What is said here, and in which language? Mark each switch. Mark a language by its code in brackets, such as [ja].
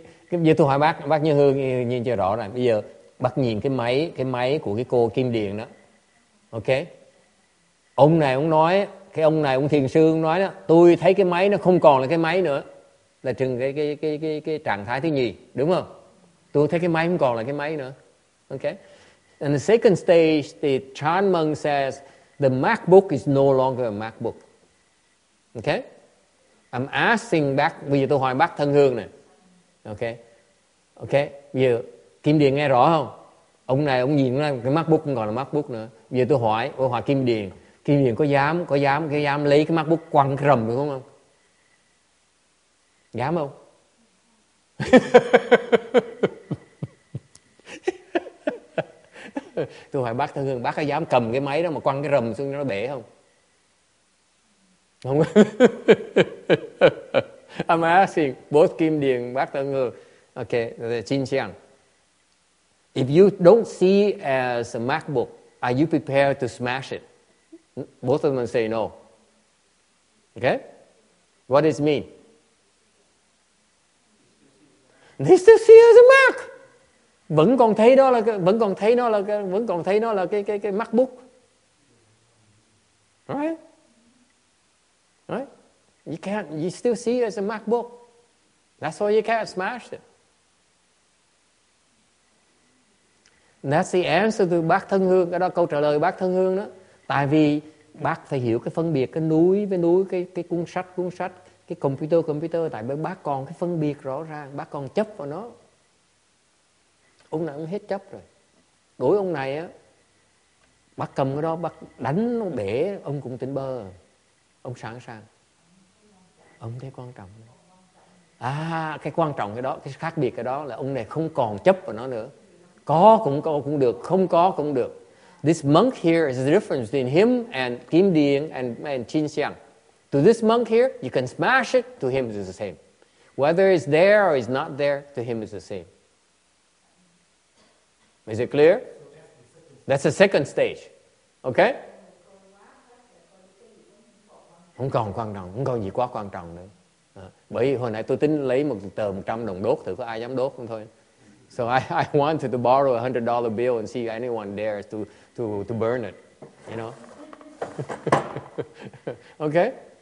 [vi] Như tôi hỏi bác Như Hương nhìn cho rõ ràng. Bây giờ bác nhìn cái máy của cái cô Kim Điền đó. Ok. Ông này ông nói, cái ông này ông thiền sư ông nói đó, tôi thấy cái máy nó không còn là cái máy nữa, là trừng cái trạng thái thứ nhì, đúng không? Tôi thấy cái máy không còn là cái máy nữa. [en] Okay. And the second stage, the Chan Meng says the MacBook is no longer a MacBook. Okay. I'm asking back, [vi] bây giờ tôi hỏi bác Thân Hương này. Okay. Bây giờ Kim Điền nghe rõ không? Ông này ông nhìn ra cái MacBook không còn là MacBook nữa. Bây giờ tôi hỏi Kim Điền. Kim Điền có dám lấy cái MacBook quăng rầm được không? Dám không? Tôi hỏi bác Thân Hương, bác có dám cầm cái máy đó mà quăng cái rầm xuống nó bể không? Không. [en] I'm asking both Kim Điền, bác Thân Hương. Okay, Chin Chiang. If you don't see as a MacBook, are you prepared to smash it? Both of them say no. Okay? What does it mean? They still see as a Mac. [vi] Vẫn còn thấy nó là cái MacBook. [en] Right? You can't, you still see it as a MacBook. That's why you can't smash it. And that's the answer to bác Thân Hương. [vi] Cái đó câu trả lời bác Thân Hương đó. Tại vì bác phải hiểu cái phân biệt cái núi với núi, cái cuốn sách, cái computer, tại vì bác còn cái phân biệt rõ ràng, bác còn chấp vào nó. Ông này ông hết chấp rồi. Đối ông này á, bác cầm cái đó, bác đánh nó bể, ông cũng tỉnh bơ. Ông sẵn sàng. Ông thấy quan trọng. À, cái quan trọng cái đó, cái khác biệt cái đó là ông này không còn chấp vào nó nữa. Có cũng được, không có cũng được. [en] This monk here is the difference between him and Kim Dieng and Chin Xiang. To this monk here, you can smash it, to him it's the same. Whether it's there or it's not there, to him it's the same. Is it clear? That's the second stage. Okay? [vi] Không còn quan trọng, không còn gì quá quan trọng nữa. Bởi hồi nãy tôi tính lấy một tờ 100 đồng đốt, thử có ai dám đốt không thôi. [en] So I wanted to borrow a $100 bill and see anyone dares to burn it, you know. Okay.